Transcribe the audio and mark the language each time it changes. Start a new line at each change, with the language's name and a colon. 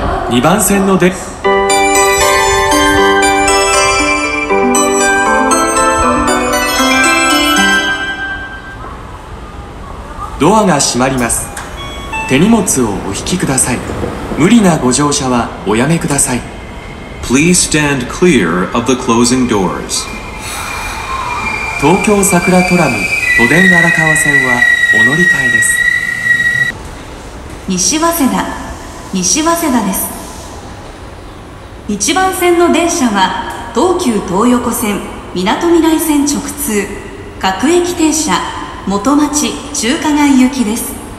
Japanese: 2番線の出ドアが閉まります。手荷物をお引きください。無理なご乗車はおやめください。
English: Please stand clear of the closing doors.
Japanese: 東京桜トラム都電荒川線はお乗り換えです。西早稲田です。 1番線の電車は東急東横線みなとみらい線直通各駅停車元町中華街行きです。